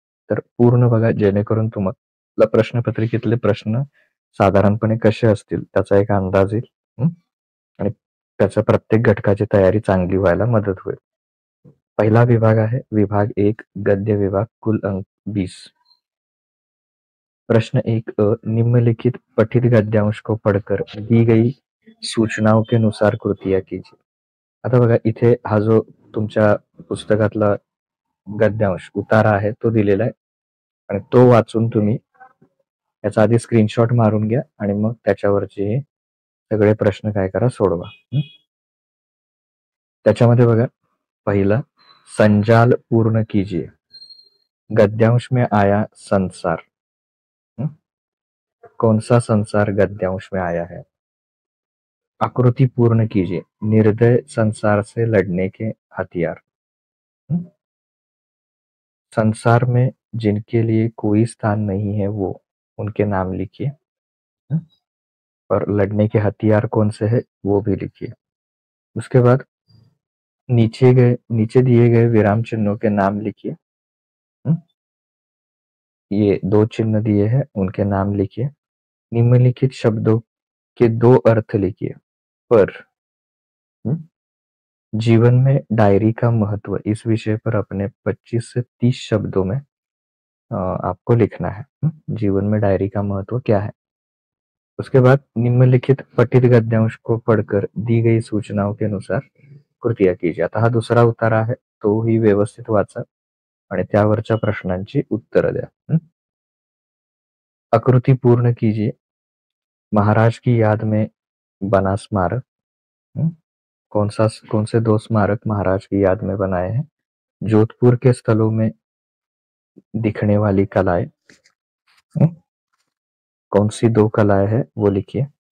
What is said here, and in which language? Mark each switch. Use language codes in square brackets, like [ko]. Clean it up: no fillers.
[mr] तर पूर्ण बघा जेणेकरून तुम्हाला प्रश्नपत्रिकेतले प्रश्न साधारणपणे कसे असतील त्याचा एक अंदाज येईल आणि त्याच्या प्रत्येक घटकाची तयारी चांगली व्हायला मदत होईल. पहिला विभाग आहे विभाग 1 गद्य विभाग, कुल अंक 20. [hi] प्रश्न 1 अ, निम्नलिखित पठित गद्यांश को पढ़कर दी गई सूचनाओं के अनुसार कृतिया कीजिए. [mr] आता बघा, इथे हा जो तुमच्या पुस्तकातला गद्यांश उतारा आहे तो दिलेला आहे आणि तो वाचून तुम्ही त्याचा आधी स्क्रीनशॉट मारून घ्या आणि मग त्याच्यावरचे सगळे प्रश्न काय करा सोडवा. त्याच्यामध्ये बघा, [hi] पहिला संजाल पूर्ण कीजिए, गद्यांश में आया संसार. कौन सा संसार गद्यांश में आया है? आकृति पूर्ण कीजिए, निर्दय संसार से लड़ने के हथियार. संसार में जिनके लिए कोई स्थान नहीं है वो, उनके नाम लिखिए और लड़ने के हथियार कौन से है वो भी लिखिए. उसके बाद नीचे दिए गए विराम चिन्हों के नाम लिखिए. ये दो चिन्ह दिए हैं, उनके नाम लिखिए. निम्नलिखित शब्दों के दो अर्थ लिखिए. पर जीवन में डायरी का महत्व, इस विषय पर अपने 25 से 30 शब्दों में आपको लिखना है. जीवन में डायरी का महत्व क्या है? उसके बाद निम्नलिखित पठित गद्यांश को पढ़कर दी गई सूचनाओं के अनुसार कृतिया कीजिए. [mr] आता हा दुसरा उतारा आहे, तो ही व्यवस्थित वाचा आणि त्यावरच्या प्रश्नांची उत्तर द्या. [hi] आकृती पूर्ण कीजिए, महाराज की याद में बना स्मारक. कौन से दो स्मारक महाराज की याद में बनाए हैं? जोधपुर के स्थलों में दिखने वाली कलाएं, कौन सी दो कलाएं है वो लिखिए.